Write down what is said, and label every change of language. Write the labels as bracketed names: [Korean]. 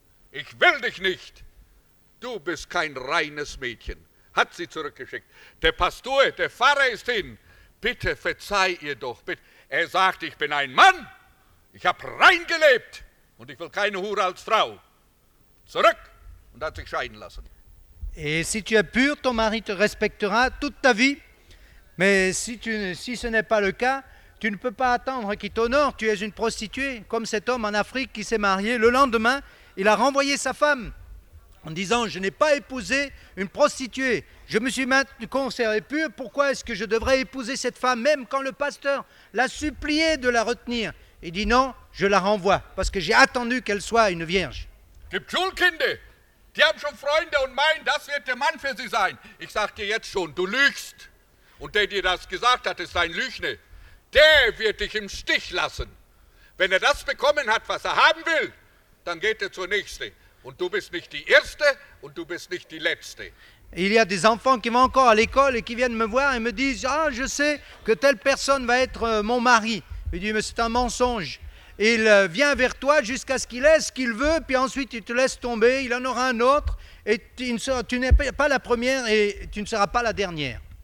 [German] Ich will dich nicht. Du bist kein reines Mädchen. Hat sie zurückgeschickt. Der Pastor, der Pfarrer ist hin. Bitte verzeih ihr doch. Er sagt, ich bin ein Mann. Ich habe rein gelebt. Und ich will keine Hure als Frau. Zurück. Und hat sich scheiden lassen. [French] Et si tu es pur, ton mari te respectera toute ta vie. Mais si ce n'est pas le cas, tu ne peux pas attendre qu'il t'honore, tu es une prostituée, comme cet homme en Afrique qui s'est marié. Le lendemain, il a renvoyé sa femme en disant, je n'ai pas épousé une prostituée. Je me suis maintenu conservé pur, pourquoi est-ce que je devrais épouser cette femme, même quand le pasteur l'a supplié de la retenir. Il dit, non, je la renvoie, parce que j'ai attendu qu'elle soit une vierge. [German] Die haben schon Freunde und meinen, das wird der Mann für sie sein. Ich sag dir jetzt schon, du lügst. Und der dir das gesagt hat, ist ein Lügner. Der wird dich im Stich lassen. Wenn das bekommen hat, was haben will, dann geht zur Nächste. Und du bist nicht die Erste und du bist nicht die Letzte. [French] Il y a des enfants qui vont encore à l'école et qui viennent me voir et me disent, ah, je sais que telle personne va être mon mari. Il dit, mais c'est un mensonge. Il vient vers toi jusqu'à ce qu'il ait ce qu'il veut, puis ensuite il te laisse tomber, il en aura un autre, et tu n'es pas la première et tu ne seras pas la dernière.